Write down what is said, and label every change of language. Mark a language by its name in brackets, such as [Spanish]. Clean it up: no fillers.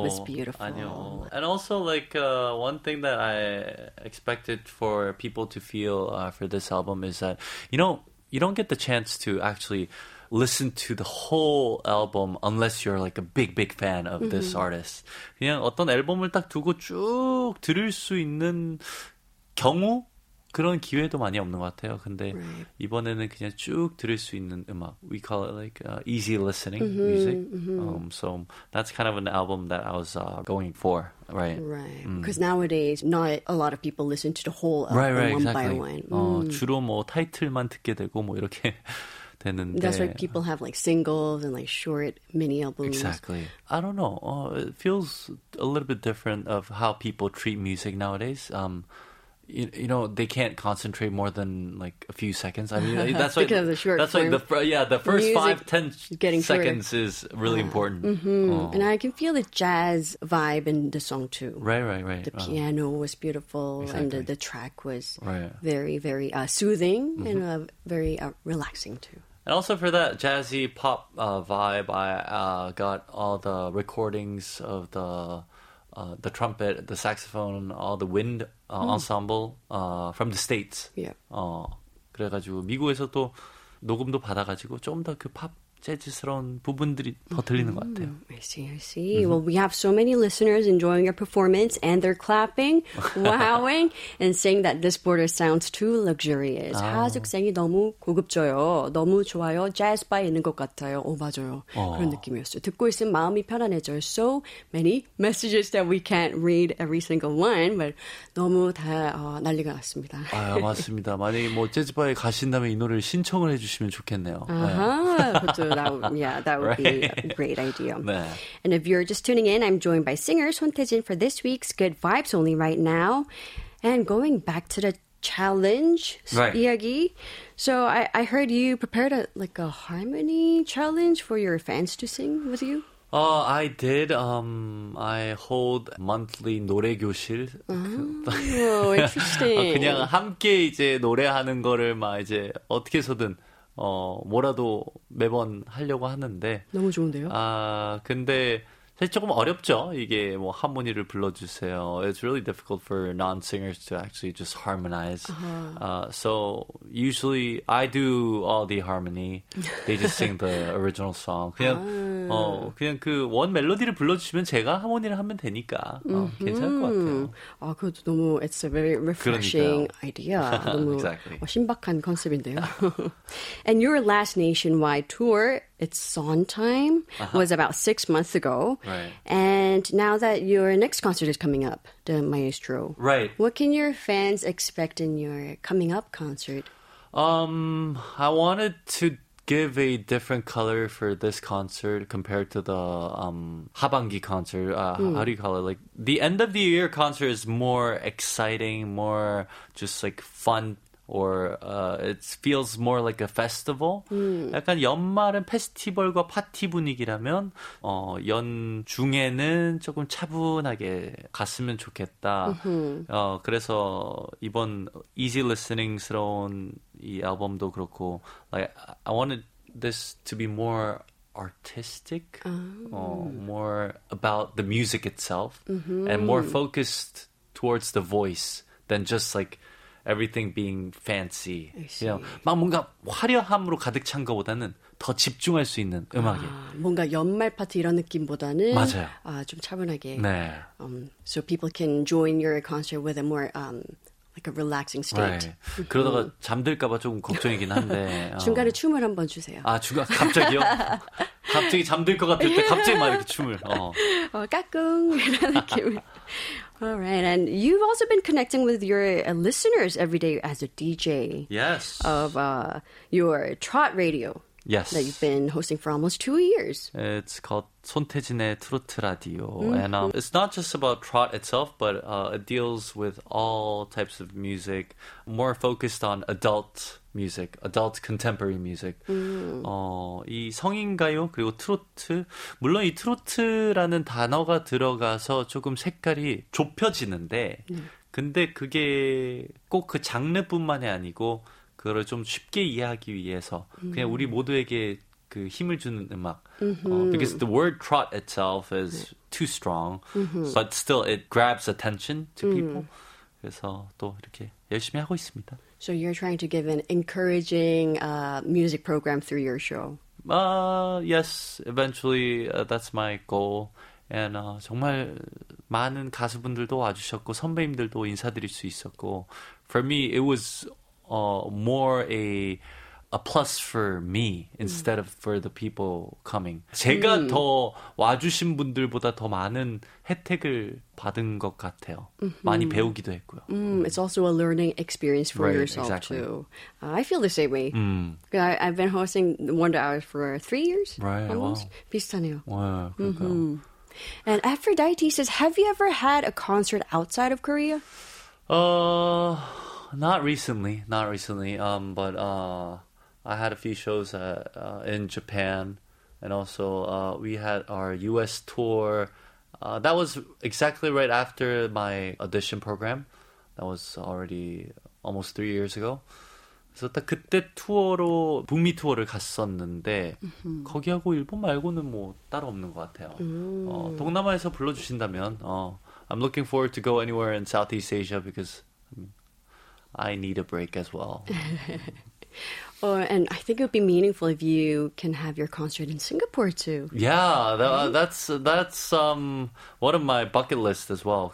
[English] it was beautiful. Ayo. And also, like, one thing that I expected for people to feel for this album is that, you know, you don't get the chance to actually listen to the whole album unless you're like a big, big fan of this artist. [Korean] 그냥 어떤 앨범을 딱 두고 쭉 들을 수 있는 경우? 그런 기회도 많이 없는 것 같아요. 근데 이번에는 그냥 쭉 들을 수 있는 음악. [English] We call it like easy listening music. So that's kind of an album that I was going for. Right. Right. Because nowadays, not a lot of people listen to the whole album one by one. [Korean] 주로 뭐 타이틀만 듣게 되고 뭐 이렇게 되는데. [English] That's why people have like singles and like short mini albums. Exactly. I don't know. It feels a little bit different of how people treat music nowadays. You know, they can't concentrate more than like a few seconds. I mean, that's because why of the short that's term. Why the yeah the first music five ten getting seconds shorter. Is really important. And I can feel the jazz vibe in the song too. Right. The piano was beautiful, exactly. And the track was very soothing and very relaxing too. And also for that jazzy pop vibe, I got all the recordings of the trumpet, the saxophone, all the wind ensemble from the States. Yeah. [Korean] 그래가지고 미국에서 또 녹음도 받아가지고 좀 더 그 팝 재즈스러운 부분들이 더 들리는 것 같아요. [English] I see. Well, we have so many listeners enjoying your performance and they're clapping, wowing, and saying that this border sounds too luxurious. [Korean] 하숙생이 너무 고급져요. 너무 좋아요. 재즈 바에 있는 것 같아요. 오, 맞아요. 그런 느낌이었어요. 듣고 있으면 마음이 편안해져요. [English] So many messages that we can't read every single one, but [Korean] 너무 다 난리가 났습니다. 아, 맞습니다. 만약에 뭐 재즈 바에 가신다면 이 노래를 신청을 해주시면 좋겠네요. 아하, 그렇죠. [English] So that would be a great idea. And if you're just tuning in, I'm joined by singer Sunteejin for this week's Good Vibes Only right now. And going back to the challenge, Iyagi. So I heard you prepared a harmony challenge for your fans to sing with you. Oh, I did. I hold monthly [Korean] 노래 교실. [English] Oh, interesting. [Korean] 그냥 함께 이제 노래하는 거를 막 이제 어떻게서든. 뭐라도 매번 하려고 하는데 너무 좋은데요? 아 근데 사실 조금 어렵죠. 이게 뭐 하모니를 불러주세요. [English] It's really difficult for non-singers to actually just harmonize. So usually I do all the harmony. They just sing the original song. [Korean] 그냥 그냥 그 원 멜로디를 불러주시면 제가 하모니를 하면 되니까 괜찮을 것 같아요. 아 그것도 너무 [English] it's a very refreshing [Korean] 그러니까요. [English] idea. [Korean] 너무 [English] exactly. [Korean] 신박한 컨셉인데요. [English] And your last nationwide tour. It's Sondheim, was about 6 months ago. Right. And now that your next concert is coming up, the Maestro. Right. What can your fans expect in your coming up concert? I wanted to give a different color for this concert compared to the 하반기 concert. How do you call it? Like the end of the year concert is more exciting, more just like fun. Or it feels more like a festival. [Korean] 약간 연말은 페스티벌과 파티 분위기라면 연중에는 조금 차분하게 갔으면 좋겠다. 그래서 이번 easy listening스러운 이 앨범도 그렇고 [English] like, I wanted this to be more artistic, more about the music itself, and more focused towards the voice than just like everything being fancy. I see. You know, [Korean] 막 뭔가 화려함으로 가득 찬 것보다는 더 집중할 수 있는 음악에. 뭔가 연말 파티 이런 느낌보다는 좀 차분하게. 네. [English] So people can join your concert with a more like a relaxing state. [Korean] 네. 그러다가 잠들까 봐 조금 걱정이긴 한데. 중간에 춤을 한번 주세요. 아, 중간 갑자기요? 갑자기 잠들 것 같을 때 갑자기 막 이렇게 춤을. 까꿍 이런 느낌. [English] All right, and you've also been connecting with your listeners every day as a DJ. Yes. Of your Trot Radio. Yes. That you've been hosting for almost 2 years. It's called 손태진의 트로트 라디오. And it's not just about trot itself, but it deals with all types of music, more focused on adult music, adult contemporary music. Mm. [Korean] 이 성인가요 그리고 트로트, 물론 이 트로트라는 단어가 들어가서 조금 색깔이 좁혀지는데 근데 그게 꼭 그 장르뿐만이 아니고 그거를 좀 쉽게 이해하기 위해서 그냥 우리 모두에게 그 힘을 주는 음악. [English] Because the word trot itself is too strong, but still it grabs attention to people. [Korean] 그래서 또 이렇게 열심히 하고 있습니다. [English] So you're trying to give an encouraging music program through your show? Yes, eventually that's my goal. And [Korean] 정말 많은 가수분들도 와주셨고 선배님들도 인사드릴 수 있었고 [English] For me, it was more a plus for me instead of for the people coming. [Korean] 제가 더 와주신 분들보다 더 많은 혜택을 받은 것 같아요. 많이 배우기도 했고요. [English] It's also a learning experience for yourself exactly. too. I feel the same way. I've been hosting Wonder Hours for 3 years. Right. Almost. Wow. [Korean] 비슷하네요. 와, 그러니까. [English] And Aphrodite says, have you ever had a concert outside of Korea? Not recently. I had a few shows in Japan, and also we had our U.S. tour. That was exactly right after my audition program. That was already almost 3 years ago. So [Korean] 딱 그때 투어로 북미 투어를 갔었는데 거기하고 일본 말고는 뭐 따로 없는 것 같아요. 동남아에서 불러주신다면 [English] I'm looking forward to go anywhere in Southeast Asia because I need a break as well. And I think it would be meaningful if you can have your concert in Singapore too. Yeah, that's one of my bucket list as well.